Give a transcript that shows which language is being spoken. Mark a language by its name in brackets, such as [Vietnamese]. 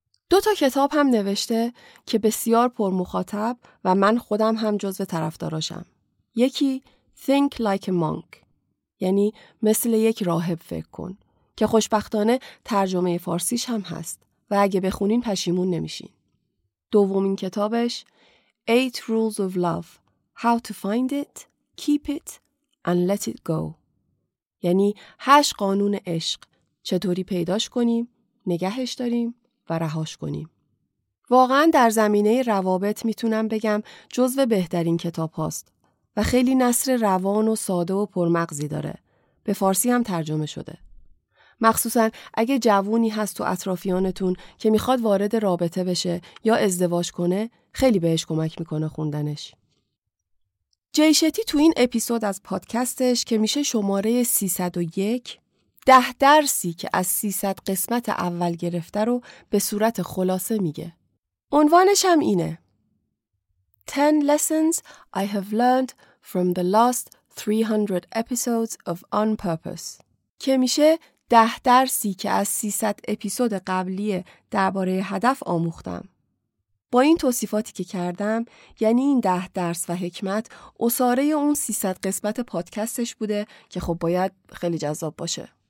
[Persian] دو تا کتاب هم نوشته که بسیار پر مخاطب و من خودم هم جزو طرفداراشم. یکی Think Like a Monk، یعنی مثل یک راهب فکر کن، که خوشبختانه ترجمه فارسیش هم هست و اگه بخونین پشیمون نمیشین. دومین کتابش Eight Rules of Love: How to Find It, Keep It and Let It Go، یعنی 8 قانون عشق، چطوری پیداش کنیم، نگهش داریم و رهاش کنیم. واقعا در زمینه روابط میتونم بگم جزو بهترین کتاب هاست و خیلی نثر روان و ساده و پرمغزی داره. به فارسی هم ترجمه شده. مخصوصا اگه جوونی هست تو اطرافیانتون که میخواد وارد رابطه بشه یا ازدواج کنه، خیلی بهش کمک میکنه خوندنش. جی شتی تو این اپیزود از پادکستش که میشه شماره 301، 10 درسی که از 300 قسمت اول گرفته رو به صورت خلاصه میگه. عنوانش هم اینه: [English] 10 lessons I have learned from the last 300 episodes of On Purpose. [Persian] که میشه 10 درسی که از 300 اپیزود قبلی درباره هدف آموختم. با این توصیفاتی که کردم، یعنی این 10 درس و حکمت اساره اون 300 قسمت پادکستش بوده که خب باید خیلی جذاب باشه.